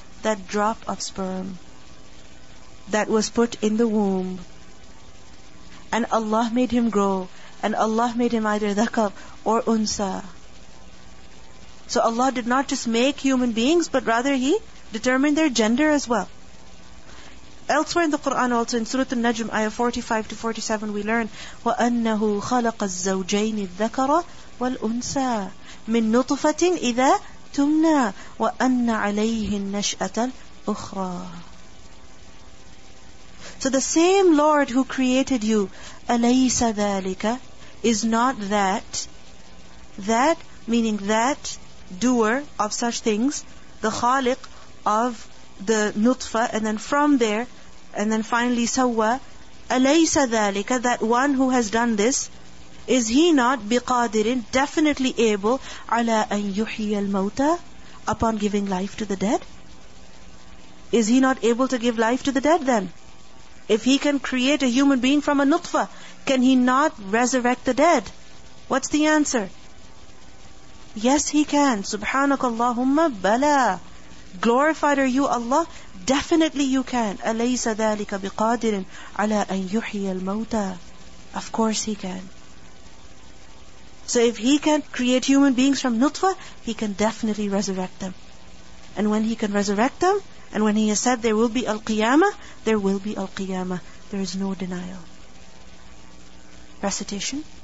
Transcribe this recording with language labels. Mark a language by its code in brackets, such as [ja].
[en] That drop of sperm that was put in the womb. And Allah made him grow. And Allah made him either ذَكَر or unsa. So Allah did not just make human beings, but rather He determined their gender as well. Elsewhere in the Quran also, in Surah Al-Najm, Ayah 45 to 47, we learn, [ar] وَأَنَّهُ خَلَقَ الزَّوْجَيْنِ الذَّكَرَ وَالْأُنْسَى مِن نُطْفَةٍ إِذَا تُمْنَى وَأَنَّ عَلَيْهِ النَّشْأَةَ الْأُخْرَى. [en] So the same Lord who created you, [ar] أَلَيْسَ ذَلِكَ, [en] is not that. That, meaning that doer of such things, the Khaliq of the nutfa, and then from there, and then finally sawwa, [ar] alaysa dhalika, [en] that one who has done this, is he not biqadirin, definitely able, [ar] ala an yuhiya al-mawta, [en] upon giving life to the dead? Is he not able to give life to the dead then? If he can create a human being from a nutfa, can he not resurrect the dead? What's the answer? Yes, he can. [ar] Subhanakallahumma bala. [en] Glorified are you, Allah? Definitely you can. [ar] أَلَيْسَ ذَٰلِكَ بِقَادِرٍ عَلَىٰ أَن يُحْيَ الْمَوْتَىٰ. [en] Of course he can. So if he can create human beings from nutfa, he can definitely resurrect them. And when he can resurrect them, and when he has said there will be al-qiyamah, there will be al-qiyamah. There is no denial. Recitation.